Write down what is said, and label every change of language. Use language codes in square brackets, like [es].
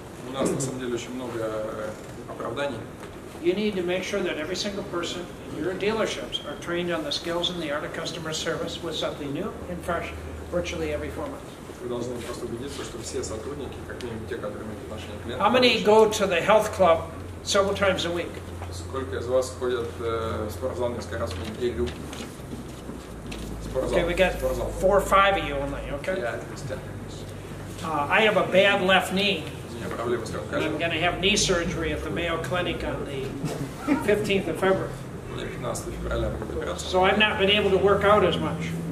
[ru] У нас на самом деле очень много оправданий. [en] You need to make sure that every single person in your dealerships are trained on the skills and the art of customer service with something new and fresh virtually every 4 months. [ru] Вы должны просто убедиться, что все сотрудники, как минимум те, которые имеют отношение к клиентам. [en] How many go to the health club several times a week? [ru] Сколько из вас ходят в спортзал несколько раз в неделю? [en] Okay, we got 4 or 5 of you only, okay? Yeah, I have a bad left knee. And I'm going to have knee surgery at the Mayo Clinic on the 15th of February. So I've not been able to work out as much.